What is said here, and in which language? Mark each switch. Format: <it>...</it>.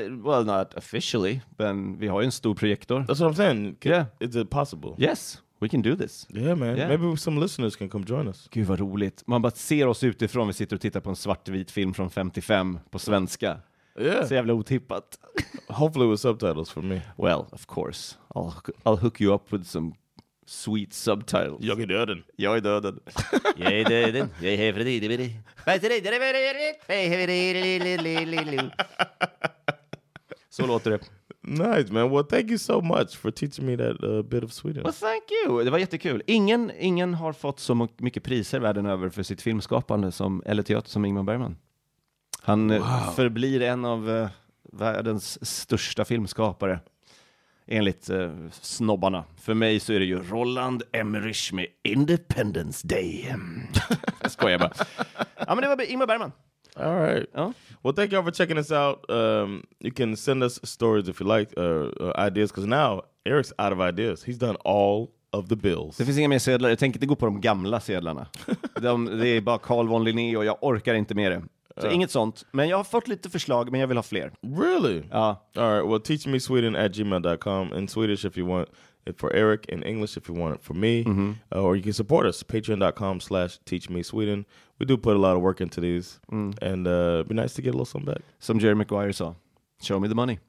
<en>Well, not officially,</en> <sv>men vi har ju en stor projektor.</sv> <en>That's what I'm saying. Is it possible? Yes. We can do this. Yeah, man. Yeah. Maybe some listeners can come join us.</en> <sv>Gud, vad roligt. Man bara ser oss utifrån. Vi sitter och tittar på en svartvit film från 55 på svenska.</sv> <en>Yeah.</en> <sv>Så jävla otippat.</sv> <en>Hopefully with subtitles for me. Well, of course. I'll hook you up with some sweet subtitles.</en> <sv>Jag är döden. Jag är döden. Jag är döden. Jag är hevrig. Jag är hevrig. Jag är hevrig. Så låter det.</sv> <en>Nice, man. Well, thank you so much for teaching me that bit of Sweden. Well, thank you.</en> <sv>Det var jättekul. Ingen har fått så mycket priser världen över för sitt filmskapande som eller teater som Ingmar Bergman. Han förblir en av världens största filmskapare enligt snobbarna. För mig så är det ju Roland Emmerich med Independence Day. Jag skojar bara. Ja, men det var Ingmar Bergman.</sv> <en>All right. Oh. Well, thank you all for checking us out. You can send us stories if you like, ideas, because now Eric's out of ideas. He's done all of the bills.</en> <sv>Det finns inga mer sedlar. Jag tänker inte gå på de gamla sedlarna. Det är bara Carl von Linné och jag orkar inte mer det. Så inget sånt. Men jag har fått lite förslag, men jag vill ha fler.</sv> <en>Really?</en> <sv>Ja.</sv> <en>All right. Well, teachmesweden@gmail.com in Swedish if you want it for Eric, in English if you want it for me. Mm-hmm. Or you can support us, patreon.com/teachmesweden. We do put a lot of work into these. Mm. And it'd be nice to get a little something back. Some Jerry Maguire saw. Show me the money.</en>